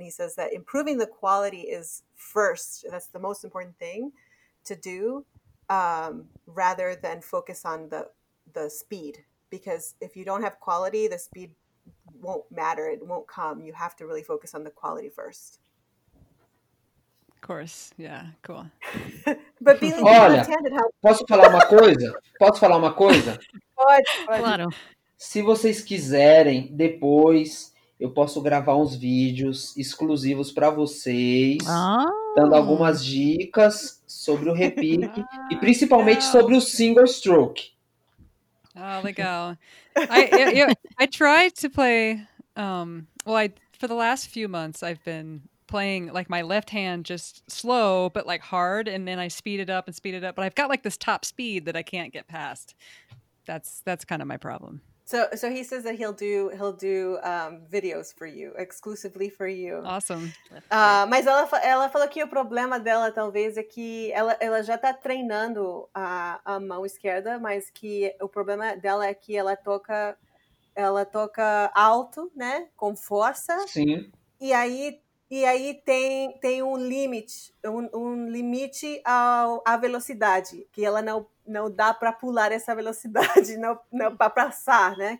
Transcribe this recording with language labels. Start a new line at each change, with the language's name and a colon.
English: And he says that improving the quality is first, that's the most important thing to do, rather than focus on the speed. Because if you don't have quality, the speed won't matter. It won't come. You have to really focus on the quality first. Of course. Yeah. Cool. But being left-handed helps.
Portuguese: Posso falar uma coisa? Posso falar uma coisa? Pode. Claro. Se vocês quiserem, depois eu posso gravar uns vídeos exclusivos para vocês, dando algumas dicas sobre o repique e principalmente sobre o single stroke. Oh, legal.
English: I try to play, for the last few months, I've been playing like my left hand just slow, but like hard. And then I speed it up. But I've got like this top speed that I can't get past. That's kind of my problem. So he says that he'll do videos for you, exclusively for you. Awesome.
Portuguese: Mas ela falou que o problema dela talvez é que ela já está treinando a mão esquerda, mas que o problema dela é que ela toca alto, né, com força. Sim. E aí tem um limite à velocidade, que ela não dá para pular essa velocidade, não para passar, né?